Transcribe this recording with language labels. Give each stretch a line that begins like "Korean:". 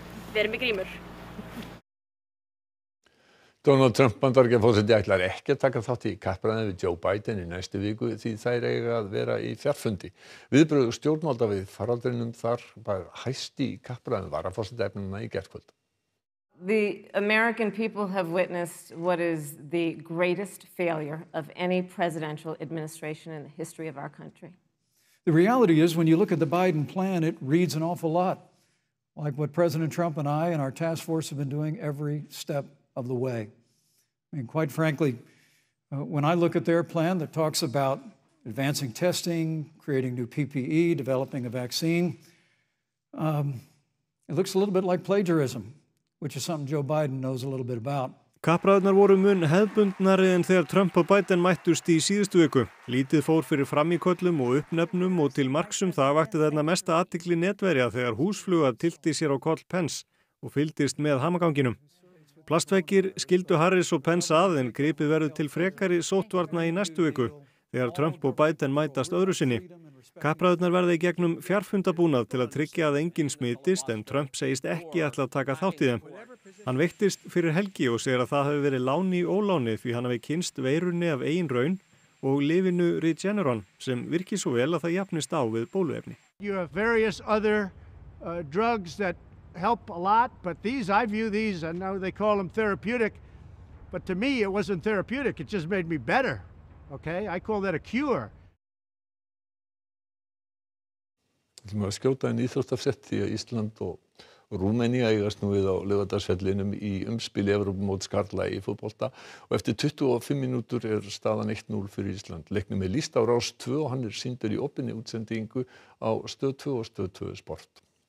Icelandic: Verið með grímur. Donald Trump bandaríkjaforseti ætlar ekki að taka þátt í kappræðum við Joe Biden í næstu viku því þær eiga að vera í fjarfundi. Viðbrögð stjórnvalda við faraldrinum þar var hæst í kappræðum varaforsetaefnanna í gærkvöld.
English: The American people have witnessed what is the greatest failure of any presidential administration in the history of our country. The reality is when you look at the Biden plan it reads an awful lot like what President Trump and I and our task force have been doing every step of the way. I mean, quite frankly, when I look at their plan that talks about advancing testing, creating new PPE, developing a vaccine, it looks a little bit like plagiarism, which is something Joe Biden knows a little bit about.
Icelandic: Kappræðurnar voru mun hefðbundnari en þegar Trump og Biden mættust í síðustu viku. Lítið fór fyrir frammíköllum og uppnefnum og til marksum það vakti þarna mesta athygli netverja þegar húsfluga tilti sér á koll Pence og fylgdist með hamaganginum. Plastveggir skildu Harris og Pence að en gripið verður til frekari sóttvarna í næstu viku þegar Trump og Biden mætast öðru sinni. Kappræðurnar verða í gegnum fjarfundabúnað til að tryggja að engin smitist en Trump segist ekki ætla að taka þátt í þeim. Hann veiktist fyrir helgi og segir að það hafi verið láni í óláni því hann hafi kynst veirunni af eigin raun og lyfinu Regeneron sem virki svo vel að það jafnist á við bóluefni.
English: You have various other drugs that help a lot, but these, I view these, and now they call them therapeutic, but to me it wasn't therapeutic, it just made me better, okay? I call that a cure.
Icelandic: Ætlum við að skjóta inn íþróttafrétt því að Ísland og Rúmenía eigast nú við á Laugardalsvellinum í umspili Evrópumóts karla í fótbolta og eftir 25 mínútur er staðan 1-0 fyrir Ísland. Leiknum er lýst á Rás 2 og hann er sýndur í opinni útsendingu á Stöð 2 og Stöð 2 Sport.